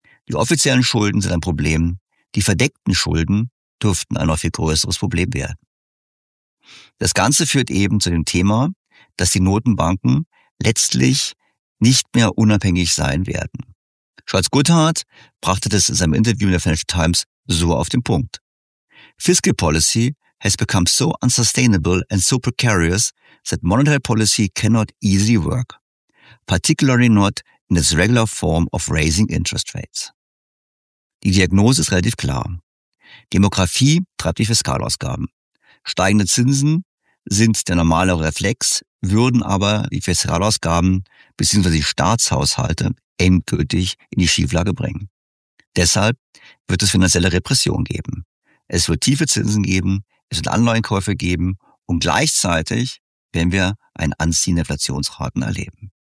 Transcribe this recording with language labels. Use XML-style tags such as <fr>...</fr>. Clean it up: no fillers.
<de>Die offiziellen Schulden sind ein Problem, die verdeckten Schulden dürften ein noch viel größeres Problem werden. Das Ganze führt eben zu dem Thema, dass die Notenbanken letztlich nicht mehr unabhängig sein werden. Scholz-Guthardt brachte das in seinem Interview in der Financial Times so auf den Punkt.</de> <en>Fiscal policy has become so unsustainable and so precarious that monetary policy cannot easily work, particularly not in its regular form of raising interest rates.</en> <de>Die Diagnose ist relativ klar. Demografie treibt die Fiskalausgaben. Steigende Zinsen sind der normale Reflex, würden aber die Fiskalausgaben bzw. die Staatshaushalte endgültig in die Schieflage bringen. Deshalb wird es finanzielle Repression geben. Es wird tiefe Zinsen geben, es wird Anleihenkäufe geben und gleichzeitig werden wir einen Anziehen der Inflationsraten erleben.</de>